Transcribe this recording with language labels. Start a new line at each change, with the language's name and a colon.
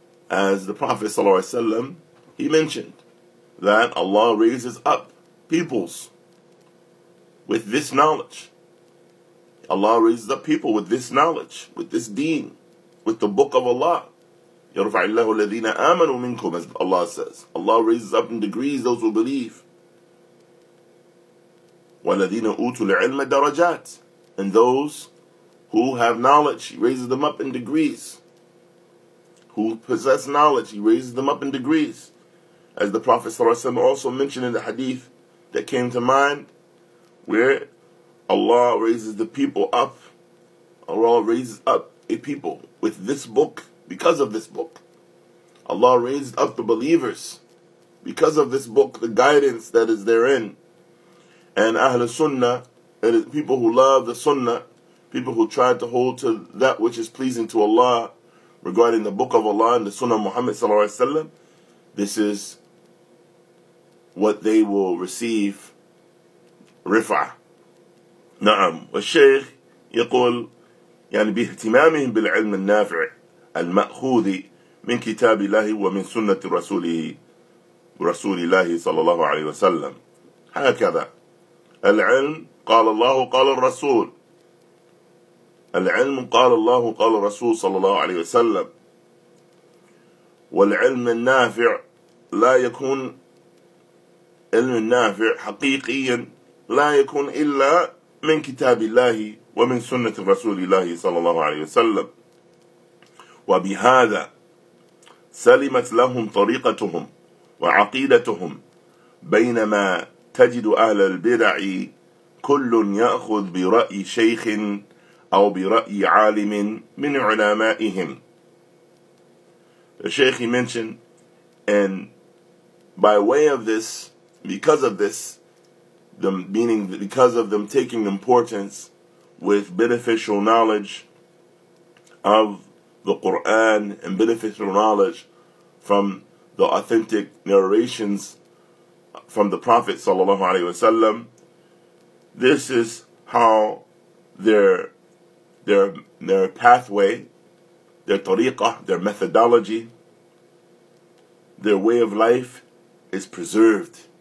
English: As the Prophet sallallahu alaihi wasallam, He mentioned that Allah raises up peoples with this knowledge. Allah raises up people with this knowledge, with this deen, with the book of Allah.
Arabic: يَرْفَعِ اللَّهُ الَّذِينَ آمَنُوا مِنْكُمْ,
English: as Allah says. Allah raises up in degrees those who believe.
Arabic: وَالَّذِينَ أُوتُوا الْعِلْمَ دَرَجَاتٍ,
English: and those who have knowledge, He raises them up in degrees. Who possess knowledge, He raises them up in degrees. As the Prophet ﷺ also mentioned in the hadith that came to mind, where Allah raises the people up, Allah raises up a people with this book, because of this book. Allah raised up the believers because of this book, the guidance that is therein. And Ahl Sunnah, that is people who love the Sunnah, people who try to hold to that which is pleasing to Allah, regarding the book of Allah and the Sunnah of Muhammad sallallahu alaihi wasallam, this is what they will receive, rifa'.
Arabic: نعم. والشيخ يقول يعني باهتمامهم بالعلم النافع المأخوذ من كتاب الله ومن سنة رسول الله صلى الله عليه وسلم. هكذا العلم قال الله قال الرسول. العلم قال الله قال الرسول صلى الله عليه وسلم. والعلم النافع لا يكون علم النافع حقيقيا لا يكون إلا من كتاب الله ومن سنة رسول الله صلى الله عليه وسلم. وبهذا سلمت لهم طريقتهم وعقيدتهم، بينما تجد أهل البدع كل يأخذ برأي شيخ أو برأي عالم من علمائهم.
English: The Sheikh mentioned, and by way of this, because of this, them meaning because of them taking importance with beneficial knowledge of the Quran and beneficial knowledge from the authentic narrations from the Prophet sallallahu alaihi wasallam, this is how their pathway, their tariqah, their methodology, their way of life is preserved.